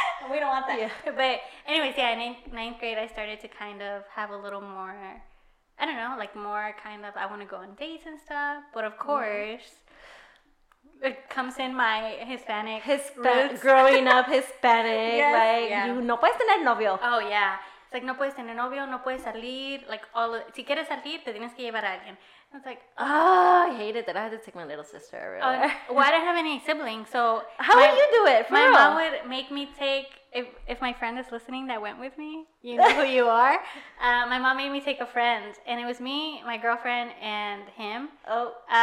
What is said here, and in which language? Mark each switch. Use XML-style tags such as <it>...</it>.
<en>We don't want that. Yeah. But anyways, yeah, in ninth grade, I started to kind of have a little more, I don't know, like more kind of, I want to go on dates and stuff. But of course, it comes in my Hispanic roots. Growing up Hispanic, yes, you</en> <es>no puedes tener novio.</es> <en>Oh, yeah.</en> <es>Like, no puedes tener novio, no puedes salir. Like, si quieres salir, te tienes que llevar a alguien.</es> <en>I was like, oh, I hate hated that I had to take my little sister everywhere. Well, I don't have any siblings, so... How would you do it? For my mom would make me take... If my friend is listening that went with me, you know who you are. My mom made me take a friend, and it was me, my girlfriend, and him. Oh.</en>